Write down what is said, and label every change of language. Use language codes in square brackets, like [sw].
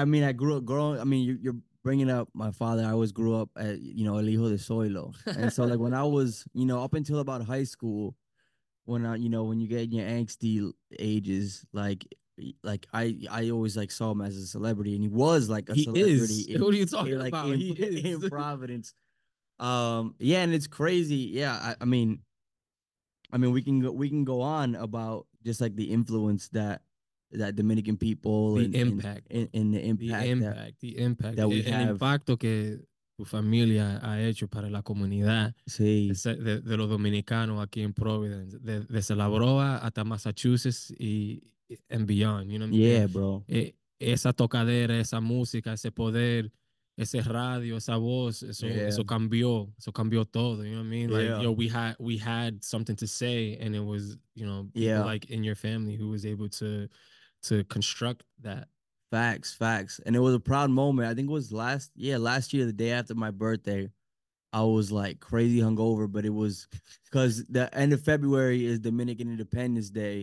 [en] I mean, I grew up growing. I mean, you're bringing up my father. I always grew up at, you know, El Hijo de Soilo, and so like when I was, you know, up until about high school, when you get in your angsty ages, like I always like saw him as a celebrity, and he was like a celebrity. What are you talking like about? In Providence. Yeah, and it's crazy. Yeah, I mean we can go on about just like the influence that Dominican people the impact that we have. [es] El impacto que tu familia ha hecho para la comunidad. Sí. De los dominicanos aquí en Providence, desde La Broa hasta Massachusetts [en] and beyond, you know what I mean? Yeah, bro. [es] Esa tocadera, esa música, ese poder, ese radio, esa voz, eso cambió todo, [en] you know what I mean? Like, yo, we had something to say, and it was, you know, like in your family who was able to construct that. Facts. And it was a proud moment. I think it was last year, the day after my birthday, I was like crazy hungover, but it was because the end of February is Dominican Independence Day.